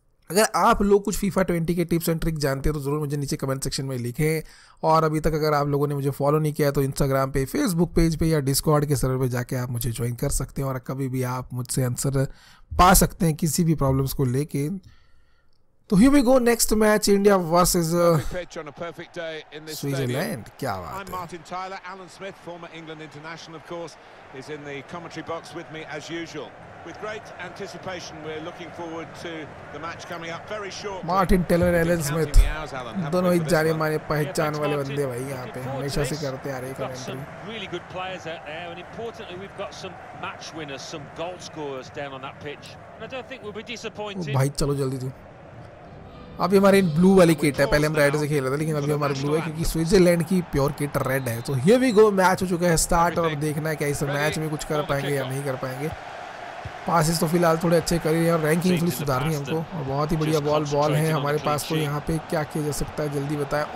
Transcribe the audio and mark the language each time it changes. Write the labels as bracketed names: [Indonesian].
[Hindi] अगर आप लोग कुछ फीफा 20 के टिप्स एंड ट्रिक जानते हो तो ज़रूर मुझे नीचे कमेंट सेक्शन में लिखें, और अभी तक अगर आप लोगों ने मुझे फॉलो नहीं किया तो इंस्टाग्राम पे, फेसबुक पेज पे या डिस्कॉर्ड के सर्वर पे जाके आप मुझे ज्वाइन कर सकते हैं, और कभी भी आप मुझसे आंसर पा सकते हैं किसी भी प्रॉब्लम्स को लेके। [English] तो here we go, next match, India versus Switzerland. [Hindi] क्या बात है? [English] I'm Martin Tyler, Alan Smith, former England international, of course, is in the commentary box with me as usual. With great anticipation, we're looking forward to the match coming up very shortly. [Hindi] Martin Tyler, Alan Smith, दोनों ही जाने माने पहचान वाले बंदे भाई यहाँ पे, हमेशा से करते आ रहे commentary. [English] Really good players out there, and importantly, we've got some match winners, some goal scorers down on that pitch. And I don't think we'll be disappointed. [Hindi] भाई चलो जल्दी जी। अभी हमारे ब्लू वाली किट है, पहले हम रेड से खेल रहे थे लेकिन अभी हमारे ब्लू है क्योंकि स्विट्जरलैंड की प्योर किट रेड है। [English] तो here we go, [Hindi] मैच हो चुका है स्टार्ट और देखना है क्या इस मैच में कुछ कर पाएंगे या नहीं कर पाएंगे। पासिस तो फिलहाल थोड़े अच्छे कर रहे हैं और रैंकिंग थोड़ी सुधारनी हमको, और बहुत ही बढ़िया बॉल बॉल है हमारे पास, तो यहाँ पे क्या किया जा सकता है जल्दी बताएं।